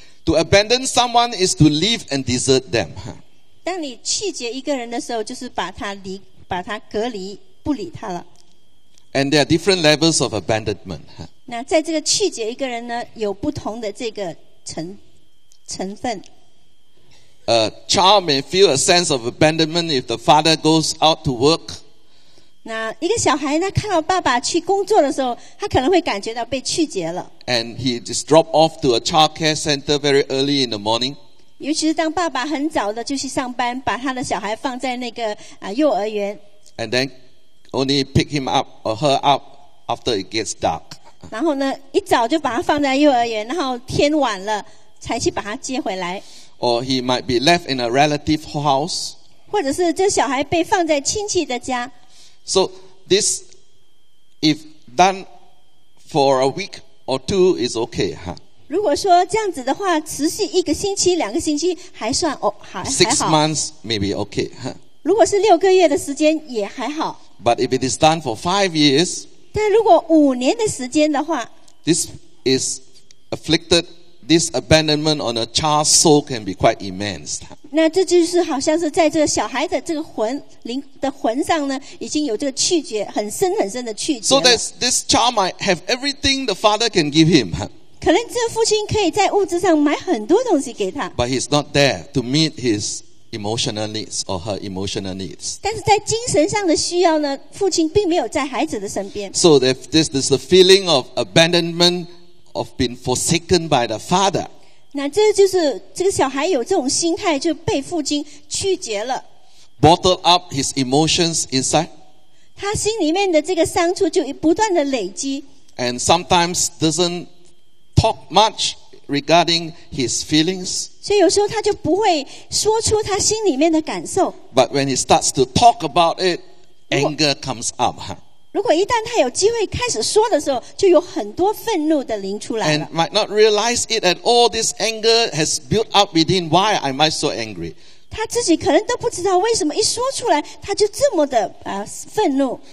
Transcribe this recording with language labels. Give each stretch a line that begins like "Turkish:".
English: To abandon someone is to leave and desert them.
Chinese: 当你拒绝一个人的时候，就是把他隔离，不理他了。
English: And there are different levels of abandonment.
Chinese: 那在这个拒绝一个人呢，有不同的这个成分。
English: A child may feel a sense of abandonment if the father goes out to work.
Chinese: 那一个小孩呢，看到爸爸去工作的时候，他可能会感觉到被拒绝了。
English: And he just dropped off to a childcare center very early in the morning.
Chinese: 尤其是当爸爸很早的就去上班，把他的小孩放在那个幼儿园。
English: And then only pick him up or her up after it gets dark.
Chinese: 然后呢，一早就把他放在幼儿园，然后天晚了才去把他接回来。
English: Or he might be left in a relative house.
Chinese: 或者是这小孩被放在亲戚的家。
English: So this, if done for a week or two, is okay, huh?
Chinese: 如果说这样子的话，持续一个星期、两个星期还算哦，还好。
English: Six months maybe okay, huh?
Chinese: 如果是六个月的时间也还好。
English: But if it is done for 5 years,
Chinese: 但如果五年的时间的话
English: ，this is afflicted. This abandonment on a child's soul can be quite immense.
Chinese: 那这就是好像是在这个小孩的这个魂灵的魂上呢，已经有这个拒绝很深很深的拒绝。
English: So that this child might have everything the father can give him.
Chinese: 可能这父亲可以在物质上买很多东西给他。
English: But he's not there to meet his emotional needs or her emotional needs.
Chinese: 但是在精神上的需要呢，父亲并没有在孩子的身边。
English: So that this is the feeling of abandonment of being forsaken by the father.
Chinese: 那这就是这个小孩有这种心态，就被父亲拒绝了。
English: Bottle up his emotions inside.
Chinese: 他心里面的这个伤处就不断的累积。
English: And sometimes doesn't talk much regarding his feelings.
Chinese: 所以有时候他就不会说出他心里面的感受。
English: But when he starts to talk about it, anger comes up.
Chinese: 如果一旦他有机会开始说的时候，就有很多愤怒的灵出来了。
English: And might not realize it at all. This anger has built up within. Why am I so angry?
Chinese: 他自己可能都不知道为什么一说出来他就这么的愤怒。